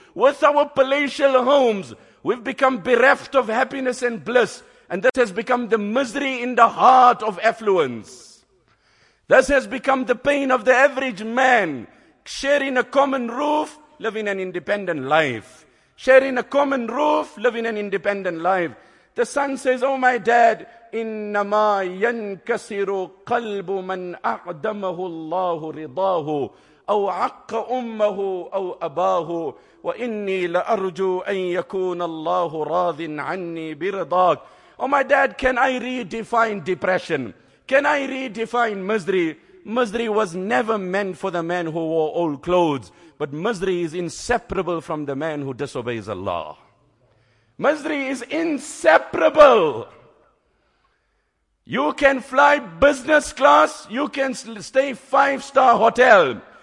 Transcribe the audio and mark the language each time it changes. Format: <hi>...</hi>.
<en>With our palatial homes, we've become bereft of happiness and bliss. And this has become the misery in the heart of affluence. This has become the pain of the average man, sharing a common roof, living an independent life. Sharing a common roof, living an independent life. The son says, oh my dad,</en> <ar>إِنَّمَا يَنْكَسِرُ قَلْبُ مَنْ أَعْدَمَهُ اللَّهُ رِضَاهُ أَوْ عَقَّ أُمَّهُ أَوْ أَبَاهُ وَإِنِّي لَأَرْجُو أَنْ يَكُونَ اللَّهُ رَاضٍ عَنِّي بِرِضَاكُ.</ar> <en>Oh my dad, can I redefine depression? Can I redefine misery? Misery was never meant for the man who wore old clothes. But misery is inseparable from the man who disobeys Allah. Misery is inseparable. You can fly business class, you can stay 5-star hotel.</en>